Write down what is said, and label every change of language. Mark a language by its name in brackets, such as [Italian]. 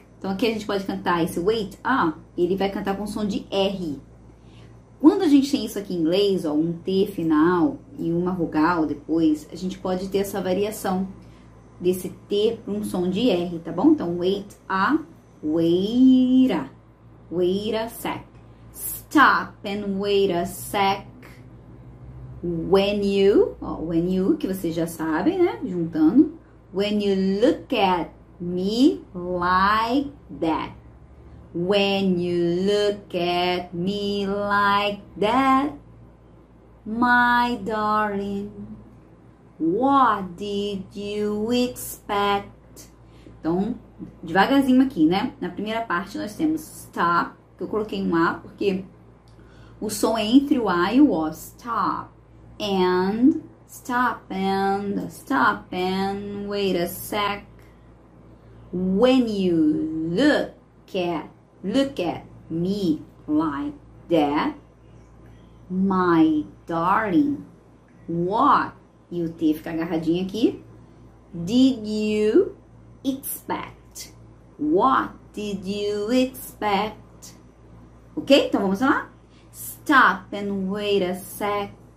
[Portuguese] Então, aqui a gente pode cantar esse wait, ah, ele vai cantar com som de R. Quando a gente tem isso aqui em inglês, ó, um T final e uma vogal depois, a gente pode ter essa variação desse T para um som de R, tá bom? Então, [English] wait a, wait a, wait a sec. Stop and wait a sec. When you, [Portuguese] ó, [English] when you, [Portuguese] que vocês já sabem, né, juntando. [English] When you look at me like that. When you look at me like that, my darling, what did you expect? [Portuguese] Então, devagarzinho aqui, né? Na primeira parte nós temos stop, que eu coloquei um A, porque o som é entre o A e o O. [English] Stop, and, stop, and, stop, and, wait a sec. When you look at me like that, my darling, what, [Portuguese] e o T fica agarradinho aqui, [English] did you expect, what did you expect, ok, [Portuguese] então vamos lá, [English] stop and wait a sec,